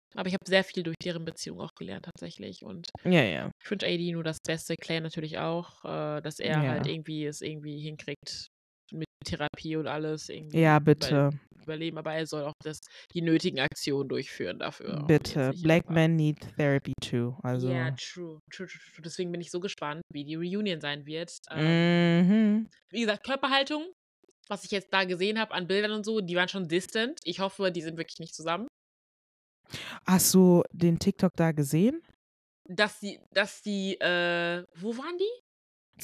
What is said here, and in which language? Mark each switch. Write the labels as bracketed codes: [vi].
[de] Aber ich habe sehr viel durch deren Beziehung auch gelernt tatsächlich. Und ja, ja. Ich wünsche AD nur das Beste, Claire natürlich auch, dass er halt irgendwie es irgendwie hinkriegt mit Therapie und alles. Irgendwie ja, bitte. Überleben, aber er soll auch die nötigen Aktionen durchführen dafür. [en] Bitte, Black men need therapy too. [de] Also. Ja, true. Deswegen bin ich so gespannt, wie die Reunion sein wird. Wie gesagt, Körperhaltung, was ich jetzt da gesehen habe an Bildern und so, die waren schon distant. Ich hoffe, die sind wirklich nicht zusammen. Hast du den TikTok da gesehen? Dass die, wo waren die?